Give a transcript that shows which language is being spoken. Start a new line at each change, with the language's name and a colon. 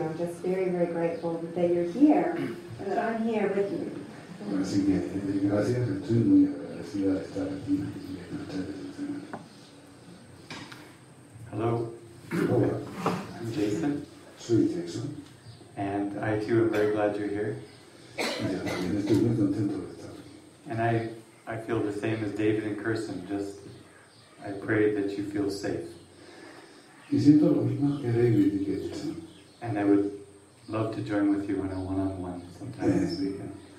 English: I'm just very, very grateful that you're here and that I'm here with you.
Spanish: Así que gracias, estoy muy agradecida de estar aquí y con ustedes.
English: Hello.
Spanish: Hola.
English: I'm Jason.
Spanish: Soy Jason.
English: And I too am very glad you're here. And I feel the same as David and Kirsten, just I pray that you feel safe. And I would love to join with you in a one-on-one sometime this weekend.